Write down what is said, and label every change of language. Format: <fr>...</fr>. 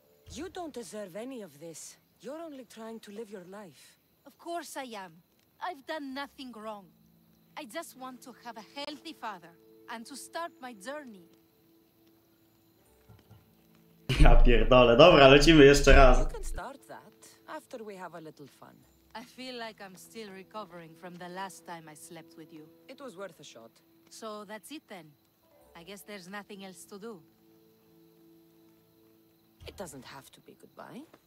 <en>You don't deserve any of this. You're only trying to live your life. Of course I am. I've done nothing wrong. I just want to have a healthy father and to start my journey.</en> <pl>Ja pierdolę, dobra, lecimy jeszcze raz.</pl> <en>You can start that after we have a little fun. I feel like I'm still recovering from the last time I slept with you. It was worth a shot. So that's it then. I guess there's nothing else to do. It doesn't have to be goodbye.</en>